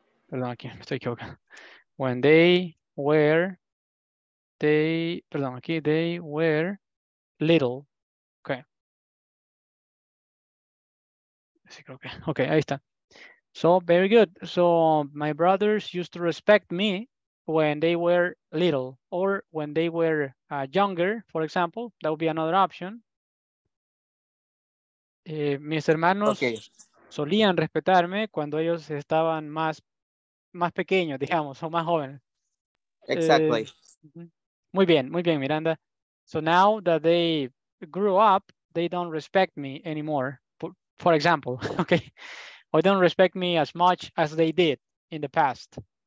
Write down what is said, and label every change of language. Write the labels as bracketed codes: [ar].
[es] Perdón, aquí me estoy equivocando. [en] When they were, they were little. Okay. [es] Sí, creo que. Okay, ahí está. [en] So, very good. So, my brothers used to respect me when they were little or when they were younger, for example. That would be another option. [es] Mis hermanos solían respetarme cuando ellos estaban más pequeños, digamos, o más jóvenes. [en] Exactly. [es] Muy bien, Miranda. [en] So, now that they grew up, they don't respect me anymore, for example, okay? Or don't respect me as much as they did in the past.